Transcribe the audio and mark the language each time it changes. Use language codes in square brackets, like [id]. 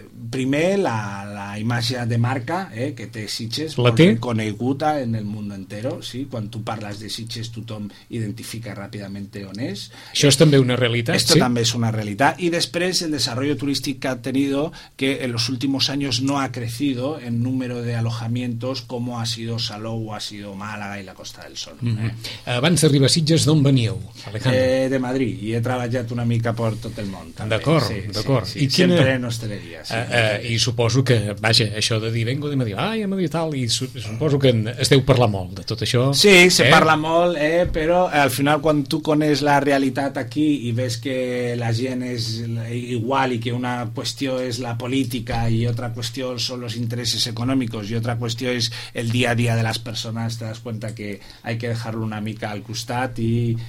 [ca] Primer la imatge de marca, que té Sitges, molt coneguda en el món [es] entero, [ca] sí? Quan tu parles de Sitges tothom identifica ràpidament on és. Això és també una realitat. [es] Esto [ca] sí? També és una realitat. I després [es] el desarrollo turístic que ha tenido, que en los últimos años no ha crecido en número de alojamientos como ha sido Salou o ha sido Málaga y la Costa del Sol. [ca] Mm-hmm. Abans d'arribar a Sitges, d'on veníeu, Alejandro? De Madrid, i he treballat una mica per tot el món. També. D'acord, sí, d'acord. Sí, sí. Quina... Sempre en hostaleria. Sí. I suposo que, vaja, això de dir [es] vengo de Madrid, [ca] ai, a Madrid tal, i suposo que es deu parlar molt de tot això. Sí, se parla molt, però al final quan tu coneix la realitat aquí i ves que la gent és igual i que una qüestió és la política i altra qüestió són els interessos econòmics i altra qüestió és el dia a dia de les persones, [es] te das cuenta que hay que dejarlo [ca] una mica al costat i